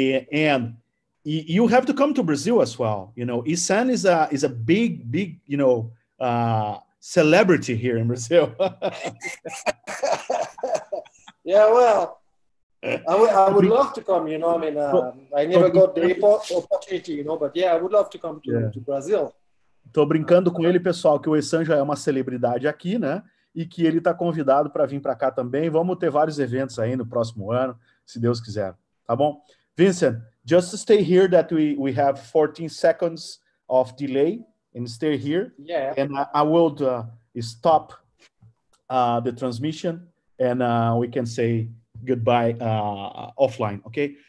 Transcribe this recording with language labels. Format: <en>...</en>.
<en>And you have to come to Brazil as well. You know, Isan is a big, big, you know, celebrity here in Brazil. Yeah, well, I would love to come, you know. I mean, I never got the opportunity, you know, but yeah, I would love to come to Brazil.</en> <pt>Tô brincando com ele, pessoal, que o Isan já é uma celebridade aqui, né? E que ele tá convidado para vir para cá também. Vamos ter vários eventos aí no próximo ano, se Deus quiser, tá bom?</pt> <en>Vincent, just to stay here that we have 14 seconds of delay and stay here. Yeah. And I will stop the transmission and we can say goodbye offline, okay?</en>